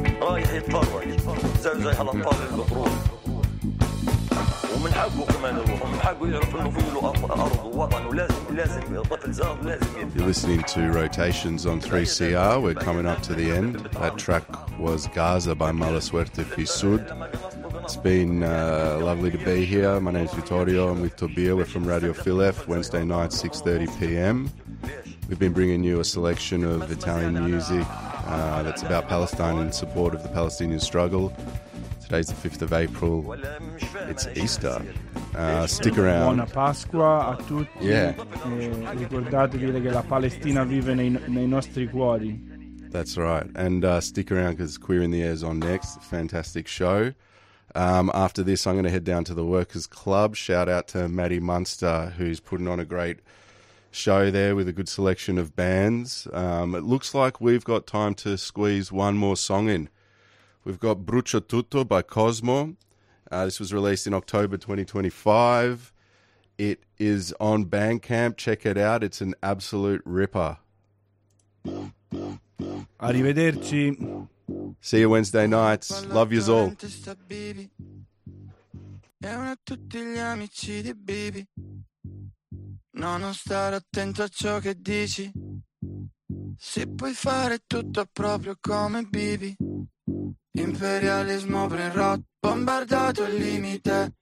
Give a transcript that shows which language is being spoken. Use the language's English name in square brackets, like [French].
[Azerbaijani] Ay heyvan var, zəvzəy halatlar ilə [Arabic] ومن حقه كمان يروح ومن حقه يعرف انه في له ارض ووطن ولازم الطفل زاد لازم يبقى. [English] You're listening to Rotations on 3CR. We're coming up to the end. That track was Gaza by Mala Suerte Fisud. It's been lovely to be here. My name is Vittorio. I'm with Tobia. We're from Radio Filef, Wednesday night, 6:30 p.m. We've been bringing you a selection of Italian music that's about Palestine in support of the Palestinian struggle. Today's the 5th of April. It's Easter. Stick around. [Italian] Buona Pasqua a tutti. [English] Yeah. [Italian] Ricordatevi che la Palestina vive nei nostri cuori. [English] That's right. And stick around because Queer in the Air is on next. Fantastic show. After this, I'm going to head down to the Workers' Club. Shout out to Maddie Munster, who's putting on a great show there with a good selection of bands. It looks like we've got time to squeeze one more song in. We've got Brucia Tutto by Cosmo. This was released in October 2025. It is on Bandcamp. Check it out. It's an absolute ripper. [Italian] Arrivederci. [English] See you Wednesday nights. Love yous all. [Italian] E a tutti gli amici di Bibi. No, non stare attento a ciò che dici. Se puoi fare tutto proprio come Bibi. Imperialismo brain rot, bombardato il limite.